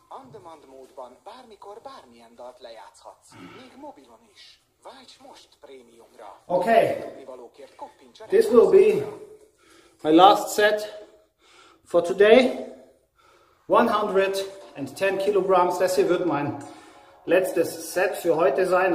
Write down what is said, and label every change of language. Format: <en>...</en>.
<hu>On-demand módban bármikor bármilyen dalt lejátszhatsz, még mobilon is. Válts most prémiumra.</hu> <en>Okay. This will be my last set for today. 110 kilograms.</en> <de>Das hier wird mein letztes Set für heute sein.</de>